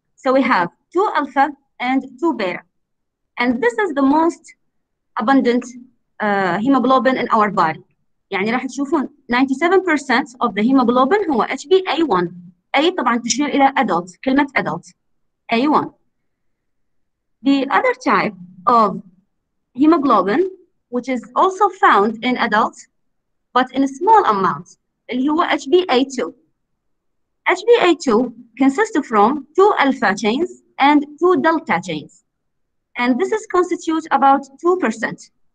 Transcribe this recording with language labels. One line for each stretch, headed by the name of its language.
English: So we have two alpha and two beta. And this is the most abundant hemoglobin in our body.
Arabic: يعني راح تشوفون 97%
English: of the hemoglobin
Arabic: هو HBA1. أي طبعاً تشير إلى adult، كلمة adult A1.
English: The other type of hemoglobin which is also found in adults but in a small amount
Arabic: اللي هو
English: HBA2. HBA2 consists from two alpha chains and two delta chains, and this is constitute about 2%.